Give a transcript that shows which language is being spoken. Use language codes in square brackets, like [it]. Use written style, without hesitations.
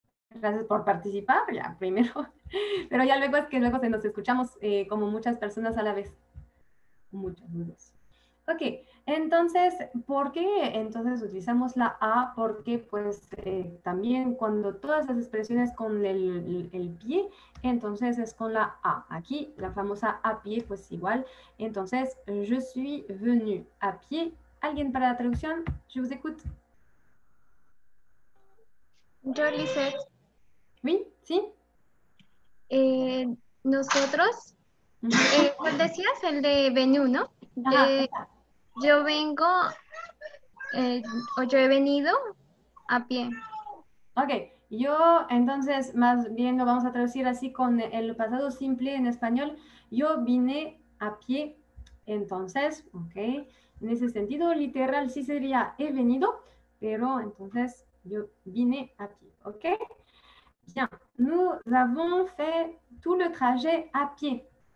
[es] Gracias por participar, ya primero. Pero ya luego es que luego se nos escuchamos como muchas personas a la vez. Muchos saludos. Ok, entonces, ¿por qué entonces utilizamos la A? Porque pues también cuando todas las expresiones con el pie, entonces es con la A. Aquí la famosa a pie, pues igual. Entonces, [fr] je suis venu a pie. [es] ¿Alguien para la traducción? [fr] Je vous écoute. [es] Yo, Lisette. ¿Oui? ¿Sí? Nosotros, ¿cuál decías? El de venu, ¿no? Ajá, yo vengo, o yo he venido a pie. Ok, yo entonces más bien lo vamos a traducir así con el pasado simple en español. Yo vine a pie, entonces, ok. En ese sentido literal sí sería he venido, pero entonces yo vine a pie, ok. [fr] Bien, nous avons fait tout le trajet a pie.